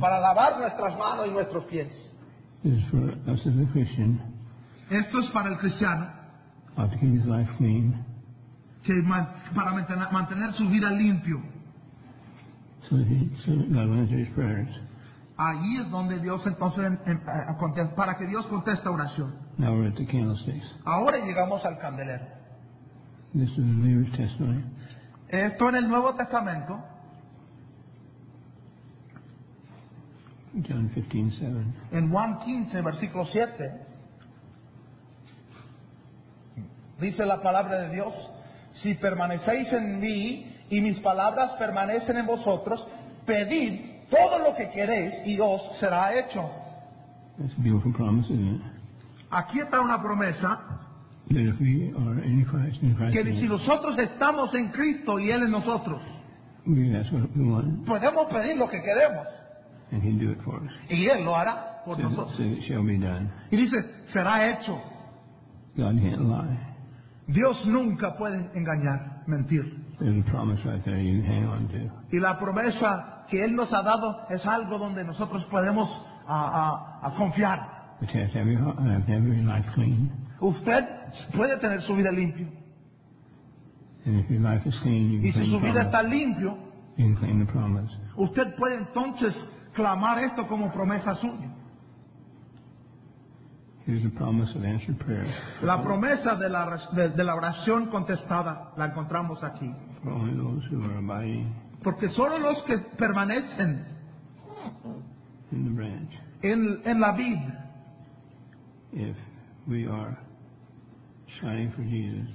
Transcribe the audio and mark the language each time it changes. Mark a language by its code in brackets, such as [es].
[es] Para lavar nuestras manos y nuestros pies. [en] This is for us as a Christian. [es] Esto es para el cristiano. [en] To keep his life clean. [es] Que para mantener su vida limpio. [en] So God will answer his prayers. [es] Ahí es donde Dios entonces contesta, para que Dios conteste oración. [en] Now we're at the candlesticks. [es] Ahora llegamos al candelero. [en] This is the believer's testimony. [es] Esto en el Nuevo Testamento. [en] John 15:7. [es] En Juan 15, versículo 7. Dice la palabra de Dios: si permanecéis en mí y mis palabras permanecen en vosotros, pedid todo lo que queréis y os será hecho. [en] That's a beautiful promise, isn't it? [es] Aquí está una promesa. [en] That if we are in Christ, in Christ, [es] que si nosotros estamos en Cristo y Él en nosotros, [en] we can ask what we want, [es] podemos pedir lo que queremos. [en] And he'll do it for us. [es] Y Él lo hará por [en] so [es] nosotros. [en] So it shall be done. [es] Y dice, será hecho. [en] God can't lie. [es] Dios nunca puede engañar, mentir. [en] There's a promise right there you can hang on to. [es] Y la promesa que Él nos ha dado es algo donde nosotros podemos confiar. [en] But you have to have your life clean. [es] Usted puede tener su vida limpia. [en] And if your life is clean, you can claim the promise. [es] Limpio, [en] you can claim the promise. [es] Usted puede entonces clamar esto como promesa suya. [en] Here's the promise of answered prayer. [es] La promesa de la oración contestada la encontramos aquí. [en] For only those who are abiding. [es] Porque solo los que permanecen [en] in the branch. [es] En la vid. [en] If we are shining for Jesus,